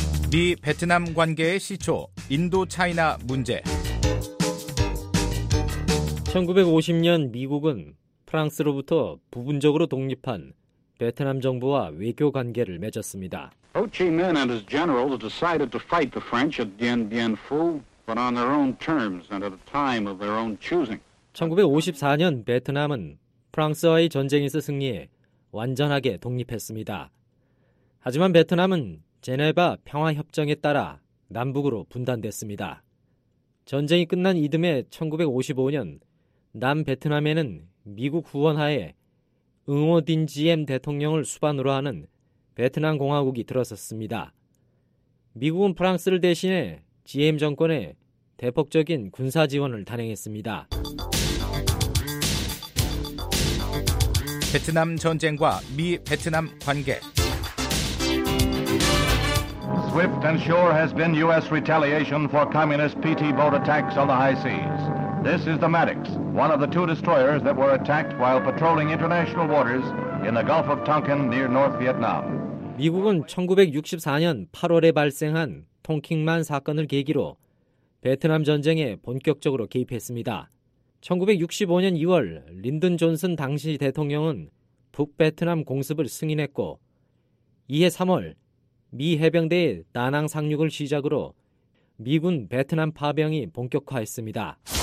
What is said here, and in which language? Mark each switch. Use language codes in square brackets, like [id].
[ko] 미 베트남 관계의 시초, 인도차이나 문제. 1950년 미국은 프랑스로부터 부분적으로 독립한 베트남 정부와 외교 관계를 맺었습니다. [en] Ho Chi Minh and his generals decided to fight the French at Dien Bien Phu, but on their own terms and at a time of their own choosing. [ko] 1954년 베트남은 프랑스와의 전쟁에서 승리해 완전하게 독립했습니다. 하지만 베트남은 제네바 평화협정에 따라 남북으로 분단됐습니다. 전쟁이 끝난 이듬해 1955년 남베트남에는 미국 후원하에 응오 딘 지엠 대통령을 수반으로 하는 베트남 공화국이 들어섰습니다. 미국은 프랑스를 대신해 지엠 정권에 대폭적인 군사 지원을 단행했습니다. 베트남 전쟁과 미 베트남 관계. [en] Swift and sure has been U.S. retaliation for communist PT boat attacks on the high seas. This is the Maddox, one of the two destroyers that were attacked while patrolling international waters in the Gulf of Tonkin near North Vietnam. [ko] 미국은 1964년 8월에 발생한 통킹만 사건을 계기로 베트남 전쟁에 본격적으로 개입했습니다. 1965년 2월 린든 존슨 당시 대통령은 북베트남 공습을 승인했고 이해 3월 미 해병대의 다낭 상륙을 시작으로 미군 베트남 파병이 본격화했습니다.